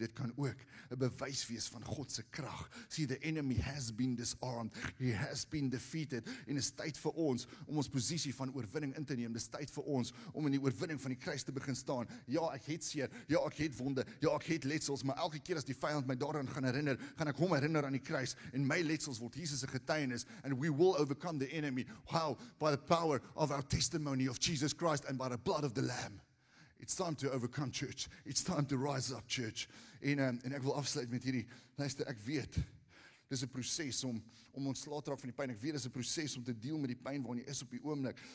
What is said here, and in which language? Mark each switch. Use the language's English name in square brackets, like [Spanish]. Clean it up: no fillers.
[Afrikaans] Dit kan ook een bewys wees van Godse krag. [English] See, the enemy has been disarmed. He has been defeated. [Afrikaans] En is tyd vir ons om ons posisie van oorwinning in te neem. Dit is tyd vir ons om in die oorwinning van die kruis te begin staan. Ja, ek het seer. Ja, ek het wonde. Ja, ek het letsels. Maar elke keer as die vijand my daaraan gaan herinner, gaan ek hom herinner aan die kruis. En my letsels word Jesus' getuienis. [English] And we will overcome the enemy. How? By the power of our testimony of Jesus Christ and by the blood of the Lamb. It's time to overcome, church. It's time to rise up, church. [Afrikaans] En ek wil afsluit met hierdie, luister, ek weet, dit is een proces om ontslae te raak van die pijn. Ek weet, dit is een proces om te deal met die pijn waarin jy is op die oomblik.